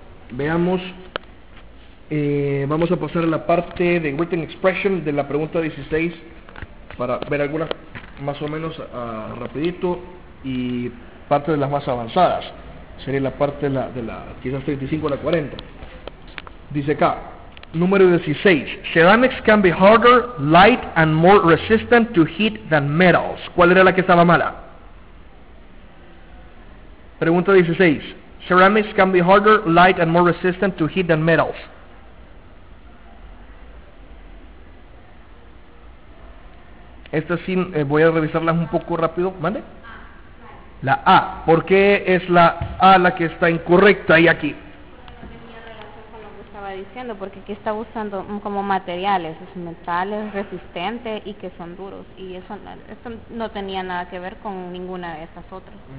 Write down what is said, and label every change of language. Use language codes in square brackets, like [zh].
[es] Veamos, vamos a pasar a la parte de written expression de la pregunta 16 para ver algunas más o menos rapidito y parte de las más avanzadas. Sería la parte de la quizás 35 a la 40. Dice acá, Número 16. [en] Ceramics can be harder, light, and more resistant to heat than metals. [es] ¿Cuál era la que estaba mala? Pregunta 16. [en] Ceramics can be harder, light, and more resistant to heat than metals. [es] Esta sí, voy a revisarlas un poco rápido. ¿Mande? La A. ¿Por qué es la A la que está incorrecta ahí aquí? Diciendo, porque aquí está usando como materiales, es metales, resistentes y que son duros, y eso esto no tenía nada que ver con ninguna de estas otras.